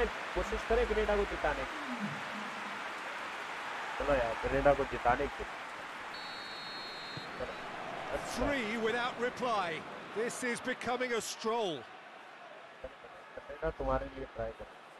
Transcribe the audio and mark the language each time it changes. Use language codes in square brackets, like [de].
[hi] कोशिश करें ग्रेनेडा को जिताने की चलो यार ग्रेनेडा को जिताने की [en] 3 without reply this is becoming a stroll [hi] Granada तुम्हारे लिए ट्राई कर